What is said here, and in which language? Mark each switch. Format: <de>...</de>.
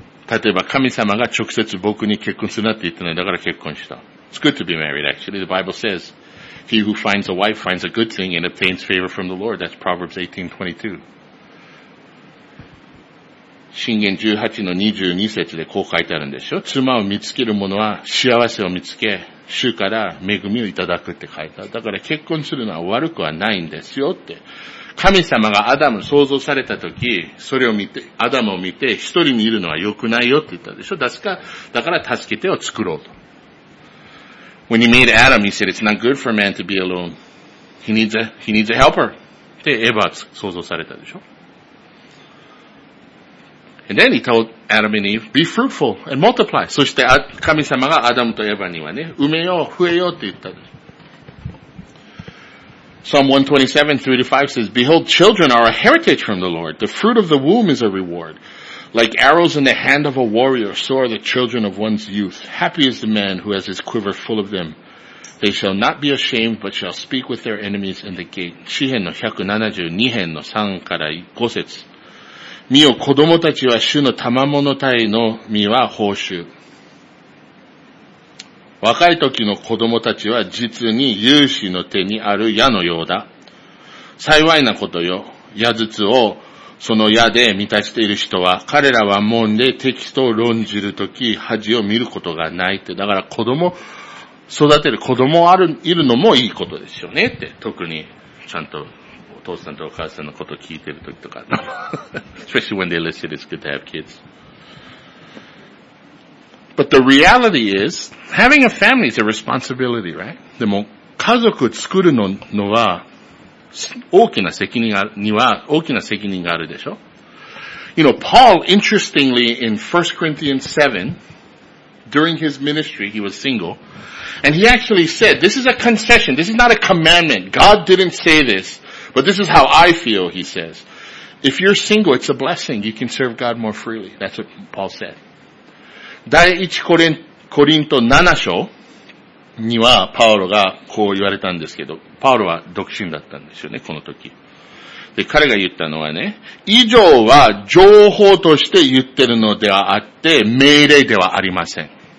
<ja>例えば神様が直接僕に結婚するなって言ってないだから結婚した。</ja> <en>It's good to be married actually. The Bible says, He who finds a wife finds a good thing and obtains favor from the Lord. That's Proverbs 18:22.</en> <ja>箴言18の22節でこう書いてあるんでしょ。妻を見つける者は幸せを見つけ、主から恵みをいただくって書いてある。だから結婚するのは悪くはないんですよって。神様がアダムを創造されたとき、それを見て、アダムを見て、一人にいるのは良くないよって言ったでしょ。だから助け手を作ろうと。</ja> <en>When he made Adam, he said, it's not good for man to be alone. He needs a helper.</en> <ja>で、エヴァ創造されたでしょ。</ja> <en>And then he told Adam and Eve, be fruitful and multiply.</en> <ja>そして、神様がアダムとエヴァにはね、埋めよう、増えようって言ったでしょ。</ja> <en>Psalm 127:3-5 says, Behold, children are a heritage from the Lord. The fruit of the womb is a reward. Like arrows in the hand of a warrior, so are the children of one's youth. Happy is the man who has his quiver full of them. They shall not be ashamed, but shall speak with their enemies in the gate.</en> <ja>詩編の172編の3から5節。見よ、子供たちは主の賜物体の実は報酬。若い時の子供たちは実に勇士の手にある矢のようだ。幸いなことよ。矢筒をその矢で満たしている人は、彼らは門で敵と論じるとき恥を見ることがないって。だから子供、育てる子供ある、いるのもいいことですよねって。特に、ちゃんとお父さんとお母さんのことを聞いてるときとか。</ja> <en>Especially when they listen, it's good to have kids. But the reality is, having a family is a responsibility, right?</en> <ja>でも、家族作るのは大きな責任には大きな責任があるでしょ。</ja> <en>You know, Paul, interestingly, in 1 Corinthians 7, during his ministry, he was single, and he actually said, this is a concession, this is not a commandment, God didn't say this, but this is how I feel, he says. If you're single, it's a blessing, you can serve God more freely. That's what Paul said.</en> <ja>第1コリント7章にはパウロがこう言われたんですけど、パウロは独身だったんですよね、この時。で、彼が言ったのはね、以上は情報として言ってるのではあって、命令ではありません。</ja>